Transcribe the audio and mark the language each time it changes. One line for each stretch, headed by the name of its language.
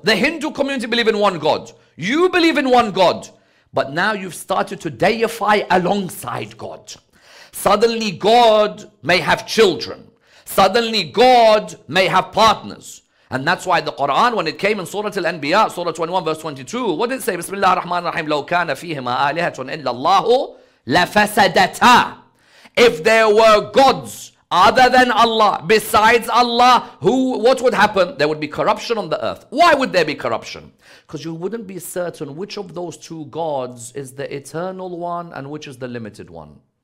English: The Hindu community believed in one God. You believe in one God. But now you've started to deify alongside God. Suddenly God may have children. Suddenly God may have partners. And that's why the Quran, when it came in Surah Al-Anbiya, Surah 21 verse 22, what did it say?
Arabic: Bismillah ar-Rahman ar-Rahim. لو كان فيهما آلهة إلا الله لفسدتا.
English: If there were gods other than Allah, besides Allah, what would happen? There would be corruption on the earth. Why would there be corruption? Because you wouldn't be certain which of those two gods is the eternal one and which is the limited one.